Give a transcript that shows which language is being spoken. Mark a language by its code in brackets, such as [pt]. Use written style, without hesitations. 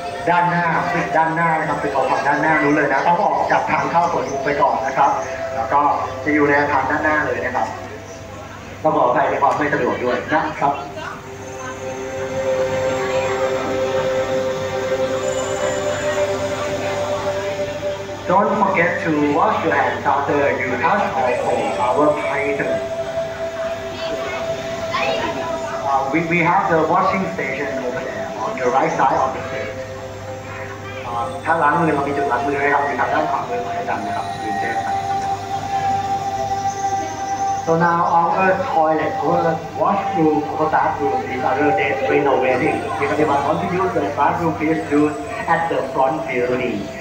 [th] ด้านหน้าด้านหน้านะครับไปขอผ่านด้านหน้ารู้เลยนะต้องออกจากทางเข้าส่วนมุมไปก่อนนะครับแล้วก็จะอยู่ในทางด้านหน้าเลยนะครับต้องบอกใครในความไม่สะดวกด้วยนะครับ [en] Don't forget to wash your hands after you touch or hold our python. We have the washing station over there on the right side of the stage. [th] ถ้าล้างมือเรามีจุดล้างมือไหมครับมีทางด้านขวามือของอาจารย์นะครับดีเจ [en] So now our toilet or washroom or bathroom is under the renovating. If anyone wants to use the bathroom, please do it at the front building.